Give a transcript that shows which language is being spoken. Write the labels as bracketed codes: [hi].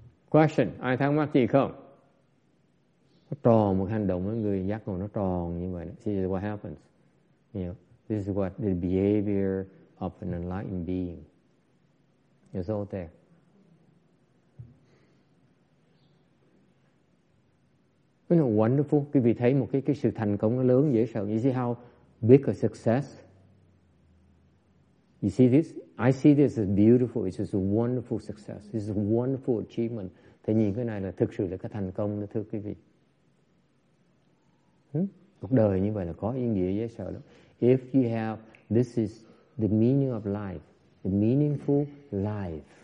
[vi] Question, ai thắc mắc gì không? Nó tròn một hành động, người giác ngộ nó tròn như vậy. [en] This is what happens. You know, this is what the behavior of an enlightened being. It's all there. You know, wonderful. [vi] Quý vị thấy một cái sự thành công nó lớn dễ sợ. [en] You see how big a success? You see this? I see this as beautiful. It's just a wonderful success. This is a wonderful achievement. [vi] Thế nhìn cái này là thực sự là cái thành công đó thưa quý vị. Cuộc đời như vậy là có ý nghĩa dễ sợ lắm. [en] If you have, this is the meaning of life, the meaningful life.